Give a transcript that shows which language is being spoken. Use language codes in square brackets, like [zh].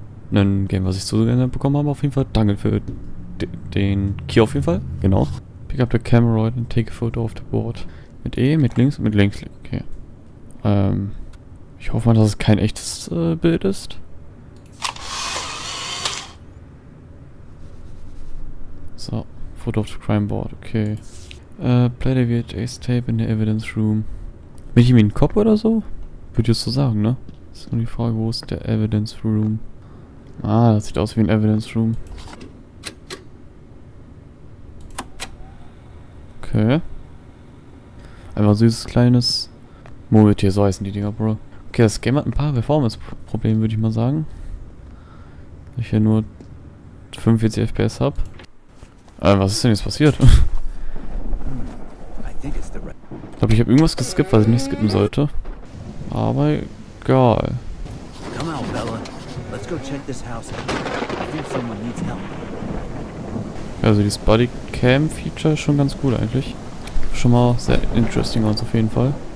[de] Ein Game, was ich so gerne bekommen habe, auf jeden Fall. Danke für den Key auf jeden Fall. Genau. [en] Pick up the camera and take a photo of the board. [de] Mit E, mit links, mit links. Okay. Ich hoffe mal, dass es kein echtes Bild ist. [en] So, photo of the crime board, okay. Play the VHS tape in the evidence room. [de] Bin ich irgendwie ein Cop oder so? Würde ich so sagen, ne? Das ist nur die Frage, wo ist der Evidence Room? Ah, das sieht aus wie ein Evidence Room. Okay. Einfach süßes kleines Murmeltier, so heißen die Dinger, Bro. Okay, das Game hat ein paar Performance-Probleme, würde ich mal sagen. Weil ich hier nur 45 FPS habe. Was ist denn jetzt passiert? Ich glaube, ich habe irgendwas geskippt, was ich nicht skippen sollte. Aber egal. [en] Come out, Bella. Let's go check this house out. I think someone needs help. [de] Also dieses Bodycam Feature ist schon ganz cool eigentlich. Schon mal sehr interesting uns auf jeden Fall.